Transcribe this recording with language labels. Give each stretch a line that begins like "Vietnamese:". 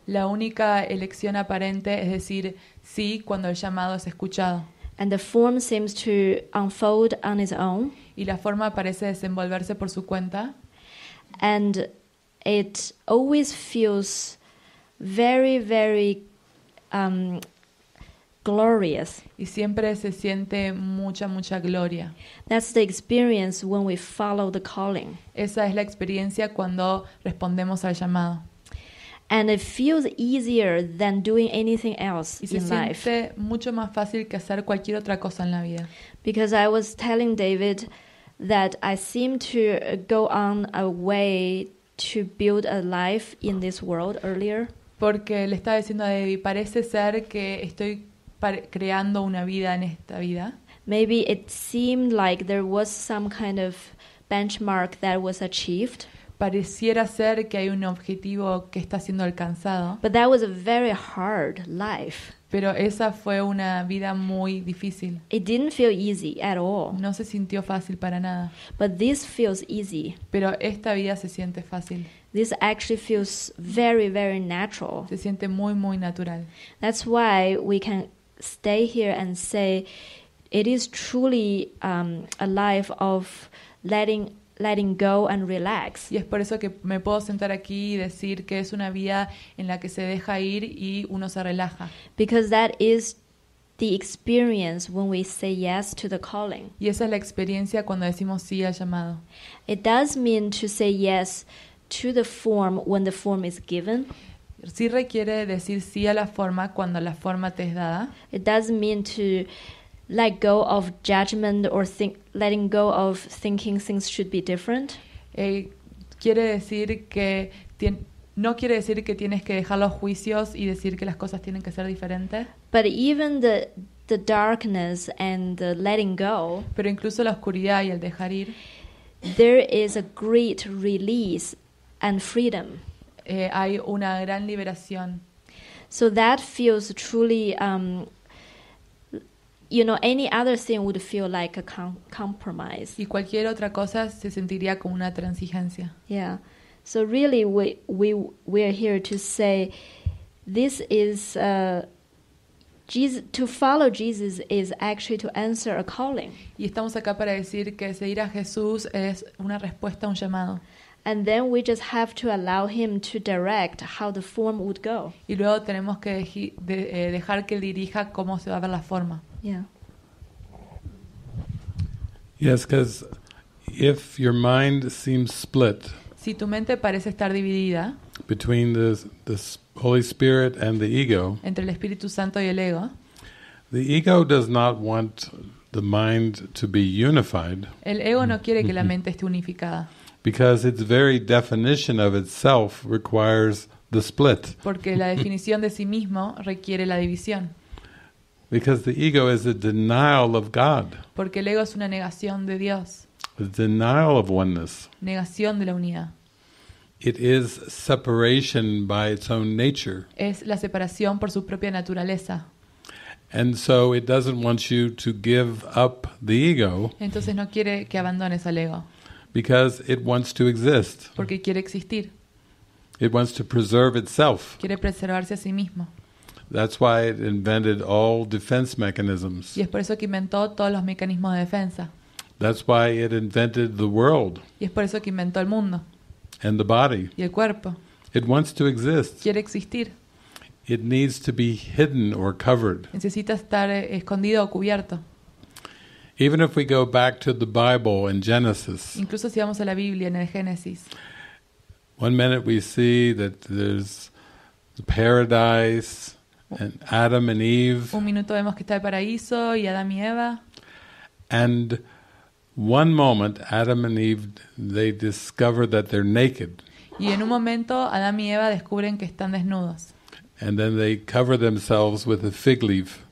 Spanish: La única elección aparente es decir sí cuando el llamado es escuchado.
English: And the form seems to unfold on its own.
Spanish: Y la forma parece desenvolverse por su cuenta.
English: And it always feels very, very glorious.
Spanish: Y siempre se siente mucha, mucha gloria.
English: That's the experience when we follow the calling.
Spanish: Esa es la experiencia cuando respondemos al llamado.
English: And it feels easier than doing anything else in life.
Spanish: Y se siente mucho más fácil que hacer cualquier otra cosa en la vida.
English: Because I was telling David that I seem to go on a way to build a life in this world earlier.
Spanish: Porque le estaba diciendo a David, parece ser que estoy creando una vida en esta vida.
English: Maybe it seemed like there was some kind of benchmark that was achieved.
Spanish: Pareciera ser que hay un objetivo que está siendo alcanzado.
English: But that was a very hard life.
Spanish: Pero esa fue una vida muy difícil.
English: It didn't feel easy at all.
Spanish: No se sintió fácil para nada.
English: But this feels easy.
Spanish: Pero esta vida se siente fácil.
English: This actually feels very, very natural.
Spanish: Se siente muy, muy natural.
English: That's why we can stay here and say it is truly a life of letting go and relax.
Spanish: Y es por eso que me puedo sentar aquí y decir que es una vía en la que se deja ir y uno se relaja.
English: Because that is the experience when we say yes to the calling.
Spanish: Y esa es la experiencia cuando decimos sí al llamado.
English: It does mean to say yes to the form when the form is given.
Spanish: Sí requiere decir sí a la forma cuando la forma te es dada.
English: It does mean to let go of judgment or letting go of thinking things should be different.
Spanish: No quiere decir que tienes que dejar los juicios y decir que las cosas tienen que ser diferentes.
English: But even the darkness and the letting go.
Spanish: Pero incluso la oscuridad y el dejar ir.
English: There is a great release and freedom.
Spanish: Hay una gran liberación.
English: So that feels truly. You know, any other thing would feel like a compromise.
Spanish: Y cualquier otra cosa se sentiría como una transigencia.
English: Yeah. So really, we are here to say, this is Jesus. To follow Jesus is actually to answer a calling.
Spanish: Y estamos acá para decir que seguir a Jesús es una respuesta a un llamado.
English: And then we just have to allow him to direct how the form would go.
Spanish: Y luego tenemos que dejar que él dirija cómo se va a ver la forma.
English: Yeah. Yes, because if your mind seems split,
Spanish: si tu mente parece estar dividida,
English: between the Holy Spirit and the ego,
Spanish: entre el Espíritu Santo y el ego,
English: the ego does not want the mind to be unified.
Spanish: El ego no quiere que la mente esté unificada.
English: Because its very definition of itself requires the split.
Spanish: Porque la definición de sí mismo requiere la división.
English: Because the ego is a denial of God.
Spanish: Porque el ego es una negación de Dios.
English: A denial of oneness.
Spanish: Negación de la unidad.
English: It is separation by its own nature.
Spanish: Es la separación por su propia naturaleza.
English: And so it doesn't want you to give up the ego.
Spanish: Entonces no quiere que abandones al ego.
English: Because it wants to exist.
Spanish: Porque quiere existir.
English: It wants to preserve itself.
Spanish: Quiere preservarse a sí mismo.
English: That's why it invented all defense mechanisms.
Spanish: Y es por eso que inventó todos los mecanismos de defensa.
English: That's why it invented the world.
Spanish: Y es por eso que inventó el mundo.
English: And the body.
Spanish: Y el cuerpo.
English: It wants to exist.
Spanish: Quiere existir.
English: It needs to be hidden or covered.
Spanish: Necesita estar escondido o cubierto.
English: Even if we go back to the Bible in Genesis.
Spanish: Incluso si vamos a la Biblia en el Génesis.
English: One minute we see that there's the paradise and Adam and Eve.
Spanish: Un minuto vemos que está el paraíso y Adán y Eva.
English: And one moment Adam and Eve they discover that they're naked.
Spanish: Y en un momento Adán y Eva descubren que están desnudos.
English: And then they cover themselves with a fig leaf.